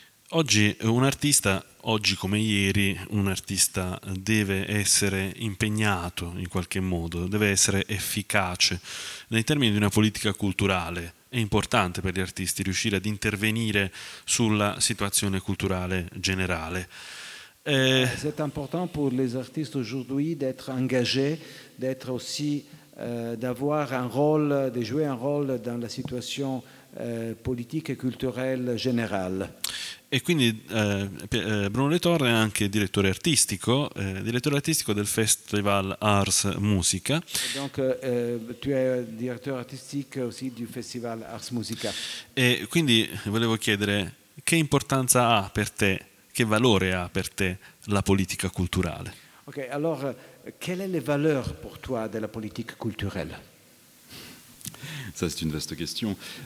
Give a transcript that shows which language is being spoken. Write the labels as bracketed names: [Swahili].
[Italian] Oggi un artista, oggi come ieri, un artista deve essere impegnato in qualche modo, deve essere efficace. Nei termini di una politica culturale, è importante per gli artisti riuscire ad intervenire sulla situazione culturale generale. [French] C'est important pour les artistes aujourd'hui d'être engagés, d'être aussi, d'avoir un rôle, de jouer un rôle dans la situation, politique et culturelle générale. [Italian] E quindi Bruno Le Torre è anche direttore artistico del Festival Ars Musica. [French] Donc, tu es directeur artistique aussi du Festival Ars Musica. [Italian] E quindi volevo chiedere che importanza ha per te, che valore ha per te la politica culturale? [French] Ok, [Italian] allora, [French] quelle est la valeur pour toi de la politique culturelle? Ça, c'est une vaste question.